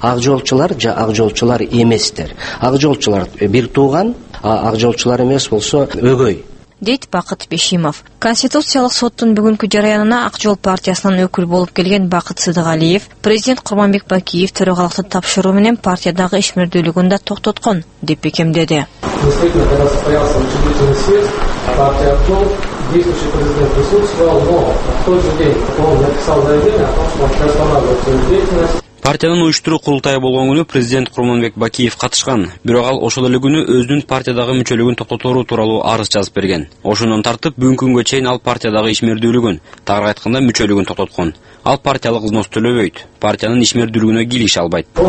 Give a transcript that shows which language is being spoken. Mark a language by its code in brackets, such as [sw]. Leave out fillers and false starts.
[ky] Ак жолчулар же ак жолчулар эместер. Ак жолчулар бир тууган, а ак жолчулар эмес болсо өгөй. Дейт Бакыт Бешимов. Конституциялык соттун бүгүнкү жараянына Ак жол партиясынан өкүл болуп келген Бакыт Сыдыгалиев президент Курманбек Бакиев төрагалыкты тапшыруу менен партиядагы ишмердүүлүгүн да токтоткон деп бекемдеди. [ru] Действительно, когда состоялся учредительный съезд, партия Ак жол, действующий президент присутствовал, но в тот же день он написал заявление о том, что приостанавливает свою деятельность. [ky] Партиянын уюштуруу курултайы болгон күнү президент Курманбек Бакиев катышкан, бирок ал ошол эле күнү өзүнүн партиядагы мүчөлүгүн токтотору тууралуу арыз жазып берген. Ошондон тартып бүгүнкү күнгө чейин ал партиядагы ишмердүүлүгүн, тагыраак айтканда мүчөлүгүн токтоткон. Ал партиялык взнос төлөбөйт, партиянын ишмердүүлүгүнө килиш албайт.